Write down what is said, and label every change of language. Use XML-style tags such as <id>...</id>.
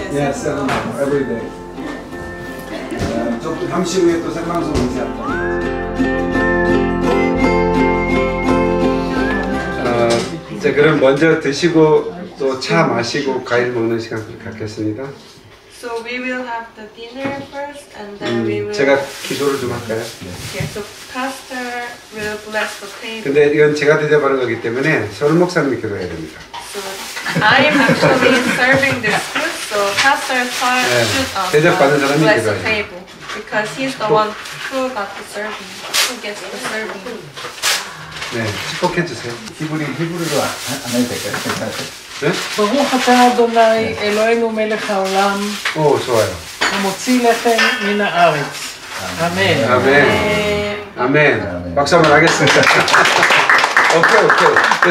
<en>Yeah, 7 hours. Every day.</en> <ko>저 잠시 후에 또 생방송 오지 않다. 자, 그럼 먼저 드시고 또 차 마시고 과일 먹는 시간 갖겠습니다.</ko> <en>So we will have the dinner first and then we will</en> <ko>제가 기도를 좀 할까요?</ko> <en>Yeah, so pastor will bless the table.</en> <ko>근데 이건 제가 대접하는 거기 때문에 서른 목사님이 기도해야 됩니다.</ko> <en>So I am actually serving this food, so pastor should 네,</en> <ko>대접받는 사람이</ko> <en>bless the table because he's the one who got the serving, who gets the serving.</en> <ko>네, 축복해 주세요. 히브리도 안 해도 될까요? 괜찮아요? 네? 너무 하자</ko> <he>아도나이 엘로헤노 멜레카 올람.</he> <ko>오, 좋아요.</ko> <he>모치레헨 미나 아리츠. 아멘.</he> <ko>아멘. 아멘. 박수 한번 하겠습니다. 오케이, 오케이.</ko>